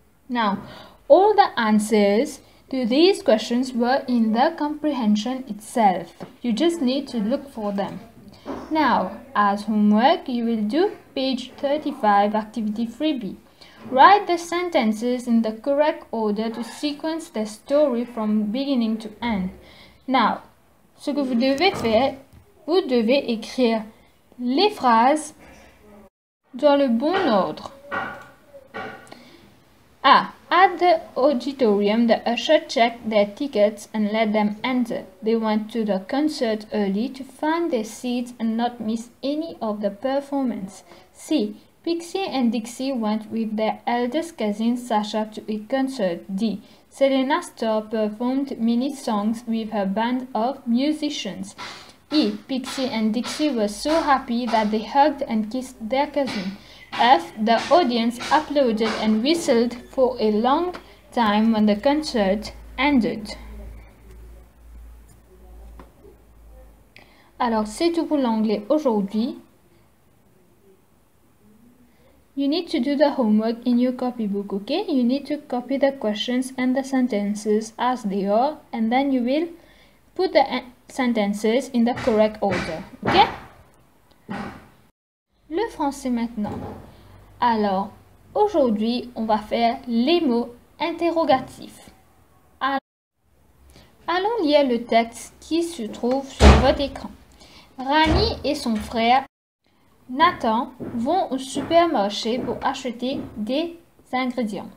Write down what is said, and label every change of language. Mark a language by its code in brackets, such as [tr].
[en] Now, all the answers to these questions were in the comprehension itself. You just need to look for them. Now, as homework, you will do page 35, activity 3B. Write the sentences in the correct order to sequence the story from beginning to end. [fr] Now, ce que vous devez faire, vous devez écrire les phrases dans le bon ordre. [en] Ah, at the auditorium, the usher checked their tickets and let them enter. They went to the concert early to find their seats and not miss any of the performance. C. Pixie and Dixie went with their eldest cousin Sasha to a concert. D. Selena Starr performed many songs with her band of musicians. E. Pixie and Dixie were so happy that they hugged and kissed their cousin. F. The audience applauded and whistled for a long time when the concert ended. [fr] Alors, c'est tout pour l'anglais aujourd'hui. [en] You need to do the homework in your copybook, okay? You need to copy the questions and the sentences as they are, and then you will put the sentences in the correct order, okay? [fr] Le français maintenant. Alors, aujourd'hui, on va faire les mots interrogatifs. Allons lire le texte qui se trouve sur votre écran. Rani et son frère Nathan vont au supermarché pour acheter des ingrédients.